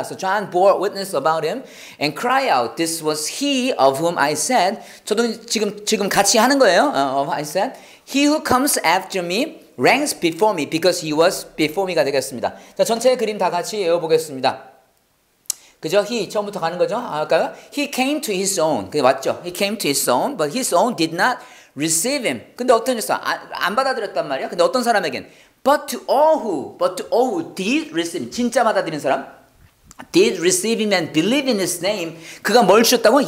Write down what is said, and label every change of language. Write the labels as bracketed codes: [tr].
[en] So John bore witness about him and cry out. This was he of whom I said. [ko] 저도 지금 같이 하는 거예요. [en] I said. He who comes after me ranks before me because he was before me [ko] 가 되겠습니다. 자, 전체의 그림 다 같이 외워보겠습니다. 그죠? He 처음부터 가는 거죠? 아까요? [en] He came to his own. [ko] 그게 맞죠? [en] He came to his own, but his own did not receive him. [ko] 근데 어떤 사람? 안 받아들였단 말이야? 근데 어떤 사람에겐? [en] But to all who did receive him. [ko] 진짜 받아들인 사람? [en] Did receive him and believe in his name. [ko] 그가 뭘 주셨다고?